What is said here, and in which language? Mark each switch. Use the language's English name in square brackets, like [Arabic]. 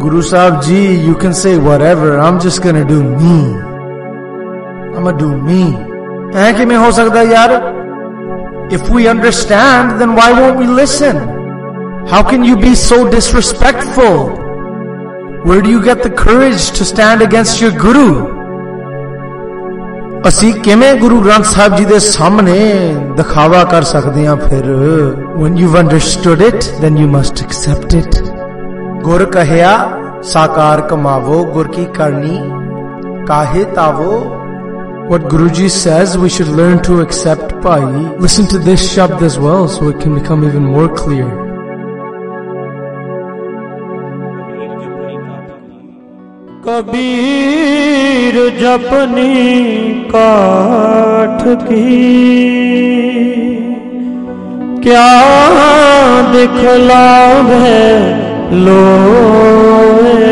[English] Guru Sahib ji, you can say whatever, I'm just gonna do me. I'ma do me. [Punjabi] Ain kime ho sakda yaar? [English] If we understand, then why won't we listen? How can you be so disrespectful? Where do you get the courage to stand against your Guru? [Punjabi] ਅਸੀਂ ਕਿਵੇਂ ਗੁਰੂ ਗ੍ਰੰਥ ਸਾਹਿਬ ਜੀ ਦੇ ਸਾਹਮਣੇ ਦਿਖਾਵਾ ਕਰ ਸਕਦੇ ਹਾਂ ਫਿਰ? [English] When you've understood it, then you must accept it. [Punjabi] ਗੁਰ ਕਹਿਆ ਸਾਕਾਰ ਕਮਾਵੋ ਗੁਰ ਕੀ ਕਰਨੀ ਕਾਹੇ ਤਾਵੋ. [English] What Guru ji says, we should learn to accept, bhai. Listen to this shabd as well so it can become even more clear. [Punjabi] Kabir japni kaath ki kya dikhlaave loe.